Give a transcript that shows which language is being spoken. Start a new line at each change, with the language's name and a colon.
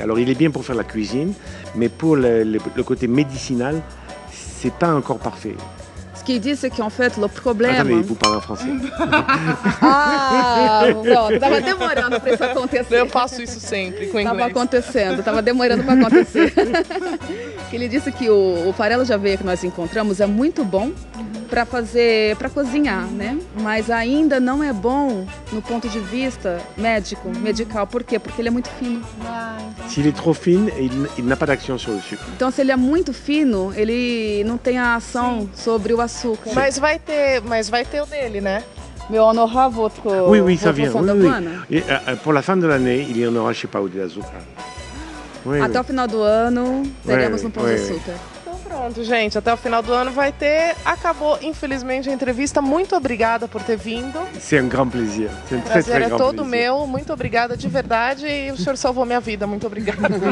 French: Alors, il est bien pour faire la cuisine, mais pour le côté médicinal, ce n'est pas encore parfait.
Portuguese: Que disse que,
French: en fait, le problème... Attendez, vous parlez en français.
Portuguese: Tava demorando pra isso acontecer. Eu faço isso sempre, com inglês. Tava demorando pra acontecer. Que ele disse que o farelo de aveia que nós encontramos é muito bom pra cozinhar, né? Mas ainda não é bom no ponto de vista médico, medical. Por quê? Porque ele é muito fino. Se ele é trop fino, ele não tem ação sobre o açúcar. Então, se ele é muito fino, ele não tem a ação sobre o açúcar. Mas vai ter o dele, né?
French: Mais on aura votre... Oui, oui, ça vient. Pour la fin de l'année, il y en aura, je sais pas, au d'azúcar.
Portuguese: Oui, até o final do ano, teremos no pão de açúcar. Pronto, gente, até o final do ano vai ter. Acabou, infelizmente, a entrevista. Muito obrigada por ter vindo.
French: C'est un grand plaisir.
Portuguese: O prazer é todo meu. Muito obrigada, de verdade. E o senhor salvou minha vida. Muito obrigada.